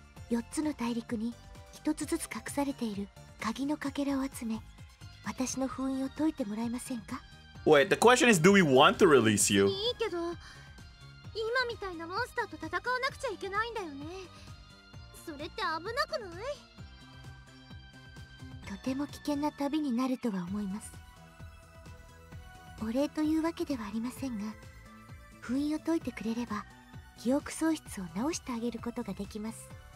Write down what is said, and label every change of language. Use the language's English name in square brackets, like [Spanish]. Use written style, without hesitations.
[Japanese] 四つの大陸に一つずつ隠されている鍵のかけらを集め、私の封印を解いてもらえませんか？ [English] Wait, the question is, do we want to release you? [Japanese] いいけど、今みたいなモンスターと戦わなくちゃいけないんだよね。それって危なくない？とても危険な旅になるとは思います。お礼というわけではありませんが、封印を解いてくれれば、記憶喪失を直してあげることができます。